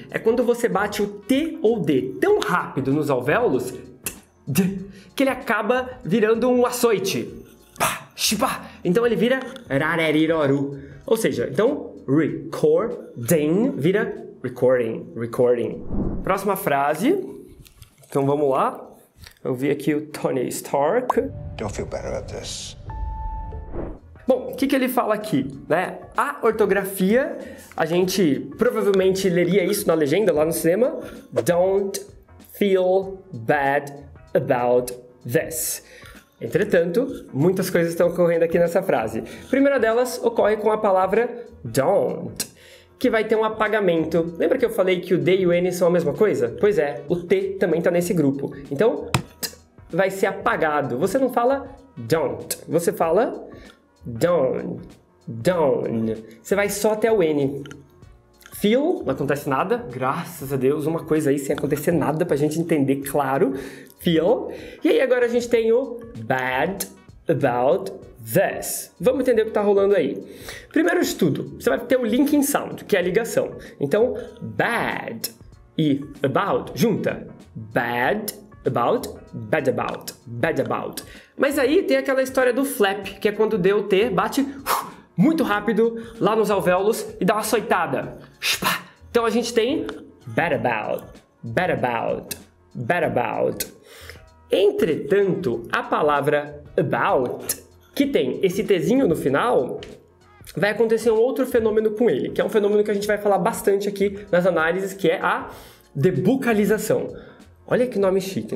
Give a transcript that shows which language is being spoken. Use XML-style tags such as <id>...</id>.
<pt>É quando você bate o T ou D tão rápido nos alvéolos que ele acaba virando um açoite. Então, ele vira rareriroru. Ou seja, então, recording vira recording, recording. Próxima frase. Então, vamos lá. Eu vi aqui o Tony Stark.</pt> <en>Don't feel bad about this.</en> <pt>Bom, o que, que ele fala aqui? Né? A ortografia, a gente provavelmente leria isso na legenda lá no cinema.</pt> <en>Don't feel bad about this.</en> <pt>Entretanto, muitas coisas estão ocorrendo aqui nessa frase. Primeira delas ocorre com a palavra don't, que vai ter um apagamento. Lembra que eu falei que o D e o N são a mesma coisa? Pois é, o T também está nesse grupo. Então, t vai ser apagado. Você não fala don't, você fala don't, don't. Você vai só até o N. Feel, não acontece nada, graças a Deus, uma coisa aí sem acontecer nada pra gente entender, claro, feel. E aí agora a gente tem o bad about this. Vamos entender o que tá rolando aí. Primeiro de tudo, você vai ter o linking sound, que é a ligação. Então, bad e about, junta, bad about, bad about, bad about. Mas aí tem aquela história do flap, que é quando o DOT bate muito rápido lá nos alvéolos e dá uma açoitada. Então a gente tem bad about, bad about, bad about. Entretanto, a palavra about, que tem esse tezinho no final, vai acontecer um outro fenômeno com ele, que é um fenômeno que a gente vai falar bastante aqui nas análises, que é a debucalização. Olha que nome chique.</pt>